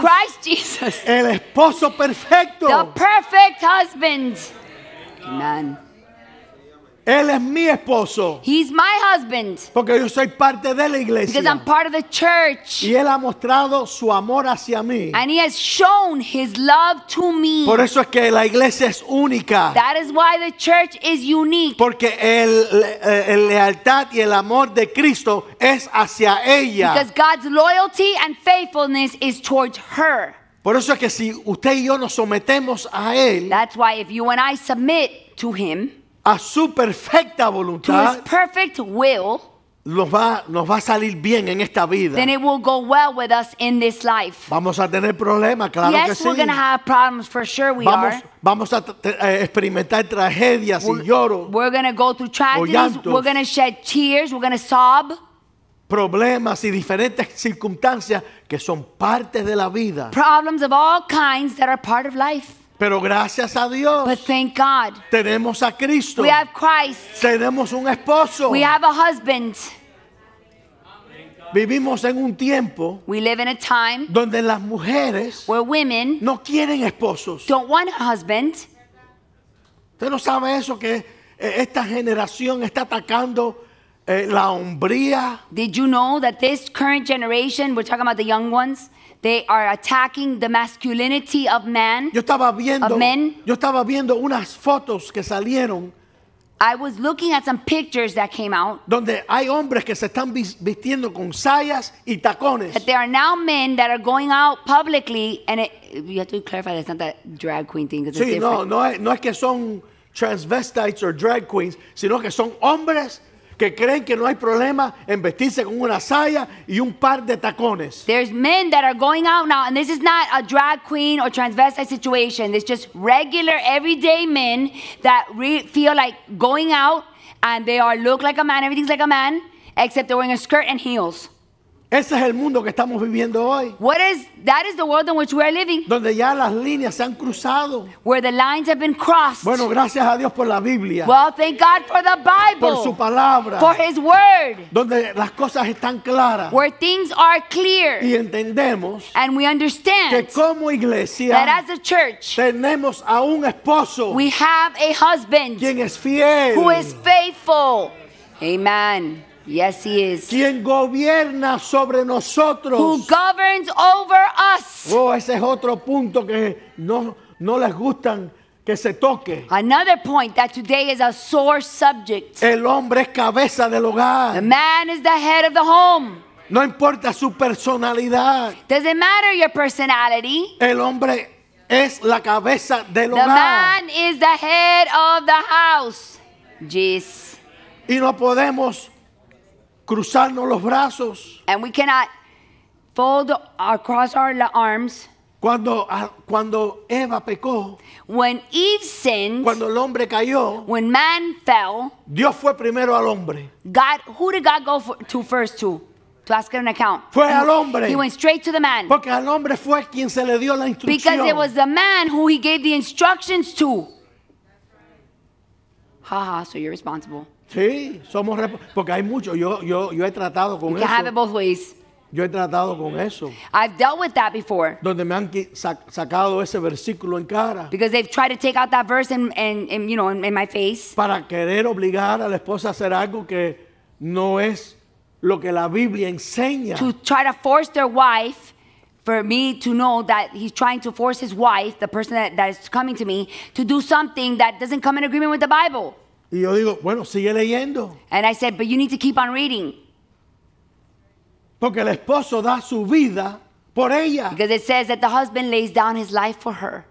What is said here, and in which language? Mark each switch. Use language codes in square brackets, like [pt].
[en] Christ Jesus. [es] El esposo perfecto. [en] The perfect husband. Amen. [es] Él es mi esposo. [en] He's my husband. [es] Porque yo soy parte de la iglesia. [en] Because I'm part of the church. [es] Y él ha mostrado su amor hacia mí. [en] And he has shown his love to me. [es] Por eso es que la iglesia es única. [en] That is why the church is unique. [es] Porque el lealtad y el amor de Cristo es hacia ella. [en] Because God's loyalty and faithfulness is towards her. [es] Por eso es que si usted y yo nos sometemos a él. [en] That's why if you and I submit to him. [es] A su perfecta voluntad. [en] To his perfect will. [es] Nos va a salir bien en esta vida. [en] Then it will go well with us in this life. [es] Vamos a tener problemas, claro [en] yes, [es] que sí. [en] Yes, we're going to have problems, for sure we [es] vamos, [en] are. [es] Vamos a experimentar tragedias y lloros. [en] We're going to go through tragedies. We're going to shed tears. We're going to sob. [es] problemas y diferentes circunstancias que son parte de la vida. [en] Problems of all kinds that are part of life. [es] Pero gracias a Dios, [en] but thank God, [es] tenemos a Cristo. [en] We have Christ. [es] Tenemos un esposo. [en] We have a husband. [es] Vivimos en un tiempo, [en] we live in a time, [es] donde las mujeres, [en] where women, [es] no quieren esposos. [en] Don't want a husband. [es] ¿Usted no sabe eso que esta generación está atacando la hombría? [en] Did you know that this current generation, we're talking about the young ones, they are attacking the masculinity of man, [es] yo estaba viendo, [en] of men? [es] Yo estaba viendo unas fotos que salieron. [en] I was looking at some pictures that came out. [es] Donde hay hombres que se están vistiendo con sayas y tacones. [en] That there are now men that are going out publicly, and it, you have to clarify that it's not that drag queen thing. [es] Sí, no, no es, no es que son [en] transvestites or drag queens, [es] sino que son hombres que creen que no hay problema en vestirse con una saya y un par de tacones. [en] There's men that are going out now, and this is not a drag queen or transvestite situation. It's just regular, everyday men that feel like going out, and they are look like a man, everything's like a man, except they're wearing a skirt and heels. [es] Ese es el mundo que estamos viviendo hoy. [en] What is, that is the world in which we are living. [es] Donde ya las líneas se han cruzado. [en] Where the lines have been crossed. [es] Bueno, gracias a Dios por la Biblia. [en] Well, thank God for the Bible. [es] Por su palabra. [en] For his word. [es] Donde las cosas están claras. [en] Where things are clear. [es] Y entendemos. [en] And we understand. [es] Que como iglesia. [en] That as a church. [es] Tenemos a un esposo. [en] We have a husband. [es] Quien es fiel. [en] Who is faithful. Amen. Yes, he is. [es] ¿Quién gobierna sobre nosotros? [en] Who governs over us? [es] Oh, ese es otro punto que no les gustan que se toque. [en] Another point that today is a sore subject. [es] El hombre es cabeza del hogar. [en] The man is the head of the home. [es] No importa su personalidad. [en] Does it matter your personality? [es] El hombre es la cabeza del [en] the [es] hogar. [en] The man is the head of the house. Jeez. [es] Y no podemos cruzarnos los brazos. [en] And we cannot fold across our arms. [es] Cuando Eva pecó. [en] When Eve sinned. [es] Cuando el hombre cayó. [en] When man fell. [es] Dios fue primero al hombre. [en] God, who did God go to first to? To ask an account. [es] Fue al hombre. [en] He went straight to the man. [es] Porque al hombre fue quien se le dio la instrucción. [en] Because it was the man who he gave the instructions to. Ha ha, so you're responsible. [es] Sí, somos porque hay mucho. Yo he tratado con eso. [en] You can have it both ways. [es] Yo he tratado con eso. [en] I've dealt with that before. [es] Donde me han sacado ese versículo en cara. [en] Because they've tried to take out that verse in you know in my face. [es] Para querer obligar a la esposa a hacer algo que no es lo que la Biblia enseña. [en] To try to force their wife, for me to know that he's trying to force his wife, the person that is coming to me, to do something that doesn't come in agreement with the Bible. [es] Y yo digo, bueno, sigue leyendo. [en] And I said, but you need to keep on reading. [es] Porque el esposo da su vida por ella. [en] Because it says that the husband lays down his life for her.